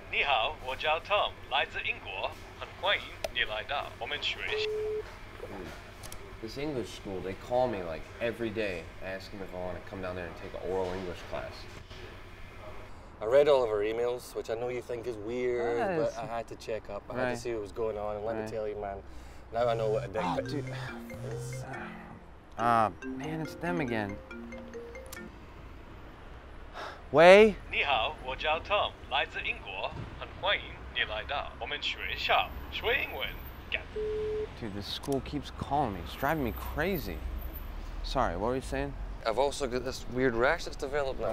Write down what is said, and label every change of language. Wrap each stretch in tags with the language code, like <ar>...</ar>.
<zh>你好,我叫 Tom, 来自英国,很欢迎你来到我们学习。</zh> <en>This English school, they call me like every day, asking if I want to come down there and take an oral English class. I read all of her emails, which I know you think is weird, but I had to check up. I had to see what was going on, and let me tell you, man, now I know what a dick pic is. Man, it's them again.</en> <zh>Wei? 你好,我叫 Tom, 来自英国,很欢迎你来到我们学校学英文。</zh> <en>Dude, this school keeps calling me. It's driving me crazy. Sorry, what were you saying? I've also got this weird rash that's developed now.</en>